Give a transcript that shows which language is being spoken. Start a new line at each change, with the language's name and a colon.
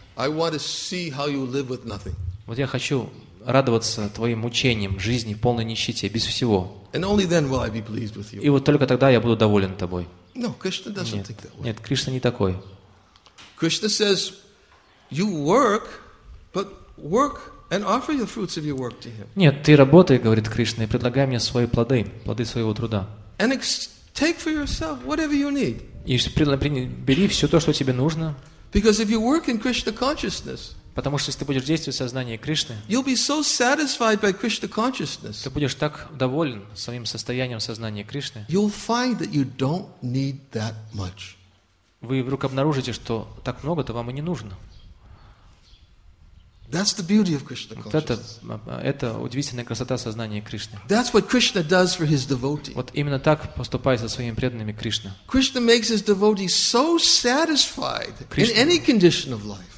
English: I want to see how you live with nothing.
Russian: Вот я хочу радоваться твоим мучениям, жизни, полной нищете, без всего.
English: And only then will I be pleased with you.
Russian: И вот только тогда я буду доволен тобой.
English: No, Krishna doesn't think that way.
Russian: Нет, Кришна не такой.
English: Krishna says, you work, but work and offer your fruits of your work to him.
Russian: Нет, ты работай, говорит Кришна, и предлагай мне свои плоды, плоды своего труда.
English: And take for yourself whatever you need.
Russian: И бери все то, что тебе нужно.
English: Because if you work in Krishna consciousness,
Russian: потому что если ты будешь действовать в сознании Кришны,
English: you'll be so satisfied by Krishna consciousness,
Russian: ты будешь так доволен своим состоянием сознания Кришны,
English: you'll find that you don't need that much.
Russian: Вы вдруг обнаружите, что так много-то вам и не нужно.
English: That's the beauty of Krishna consciousness.
Russian: Это удивительная красота сознания Кришны.
English: That's what Krishna does for his devotee.
Russian: Вот именно так поступает со своими преданными Кришна.
English: Krishna makes his devotee so satisfied in any condition of life.